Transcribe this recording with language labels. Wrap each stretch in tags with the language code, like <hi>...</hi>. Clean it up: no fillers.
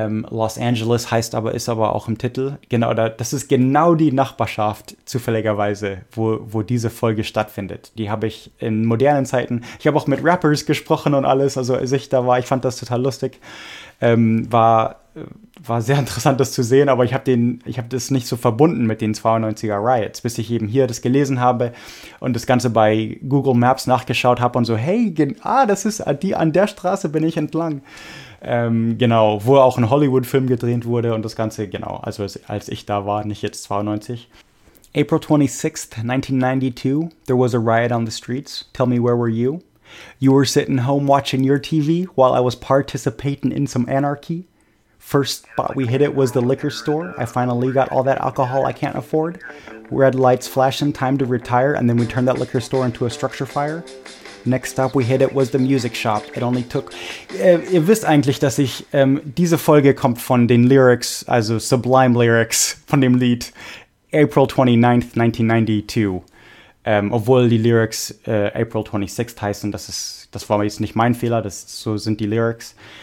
<de>Los Angeles heißt aber, ist aber auch im Titel, genau, das ist genau die Nachbarschaft, zufälligerweise, wo diese Folge stattfindet, die habe ich in modernen Zeiten, ich habe auch mit Rappers gesprochen und alles, also als ich da war, ich fand das total lustig, war sehr interessant, das zu sehen, aber ich hab das nicht so verbunden mit den 92er Riots, bis ich eben hier das gelesen habe und das Ganze bei Google Maps nachgeschaut habe und so, hey, das ist die, an der Straße bin ich entlang. Genau, wo auch ein Hollywood-Film gedreht wurde und das Ganze, genau, also als ich da war, nicht jetzt 92.</de> <en>April 26th, 1992, there was a riot on the streets. Tell me, where were you? You were sitting home watching your TV while I was participating in some anarchy. First spot we hit it was the liquor store. I finally got all that alcohol I can't afford. Red lights flashing, time to retire, and then we turned that liquor store into a structure fire. Next stop we hit it was the music shop. It only took...</en> <de>Ihr wisst eigentlich, dass ich... diese Folge kommt von den Lyrics, also Sublime Lyrics, von dem Lied April 29th, 1992. Obwohl die Lyrics April 26th heißen, das war jetzt nicht mein Fehler, das so sind die Lyrics.</de>